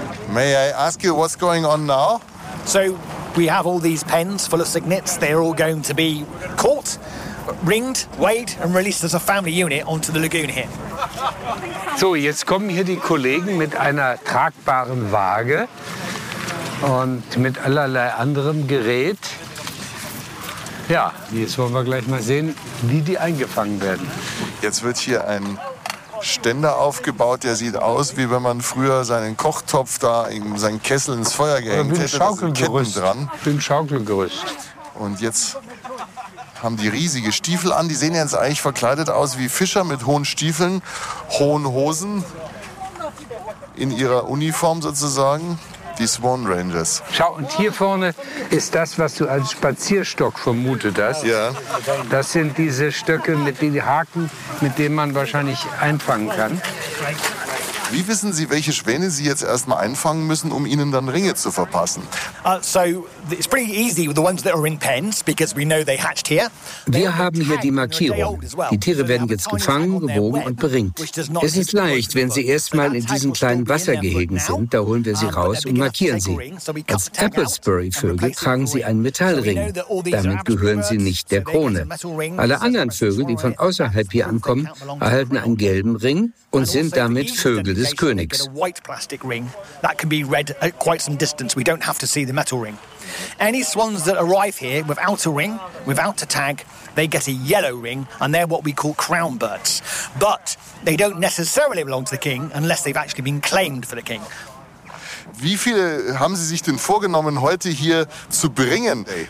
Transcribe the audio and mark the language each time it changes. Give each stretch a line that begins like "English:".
English: May I ask you what's going on now? So we have all these pens full of cygnets. They're all going to be caught, ringed, weighed and released as a family unit onto the lagoon here.
German: So, jetzt kommen hier die Kollegen mit einer tragbaren Waage und mit allerlei anderem Gerät. Ja, jetzt wollen wir gleich mal sehen, wie die eingefangen werden. Jetzt wird hier ein Ständer aufgebaut, der sieht aus, wie wenn man früher seinen Kochtopf da in seinen Kessel ins Feuer gehängt hätte. Schaukelgerüst. Und jetzt haben die riesige Stiefel an. Die sehen jetzt eigentlich verkleidet aus wie Fischer mit hohen Stiefeln, hohen Hosen in ihrer Uniform sozusagen. Die Swan Rangers. Schau, und hier vorne ist das, was du als Spazierstock vermutet hast. Ja. Das sind diese Stöcke mit den Haken, mit denen man wahrscheinlich einfangen kann. Wie wissen Sie, welche Schwäne Sie jetzt erstmal einfangen müssen, um ihnen dann Ringe zu verpassen?
English: So, it's pretty easy with the ones that are in pens, because we know they hatched here.
German: Wir haben hier die Markierung. Die Tiere werden jetzt gefangen, gewogen und beringt. Es ist leicht, wenn sie erstmal in diesen kleinen Wassergehegen sind. Da holen wir sie raus und markieren sie. Als Applesbury-Vögel tragen sie einen Metallring. Damit gehören sie nicht der Krone. Alle anderen Vögel, die von außerhalb hier ankommen, erhalten einen gelben Ring und sind damit Vögel des Königs.
English: A white plastic ring that can be read at quite some distance. We don't have to see the metal ring. Any swans that arrive here without a ring, without a tag, they get a yellow ring and they're what we call crown birds. But they don't necessarily belong to the king unless they've actually been claimed for the king.
German: Wie viele haben Sie sich denn vorgenommen, heute hier zu bringen?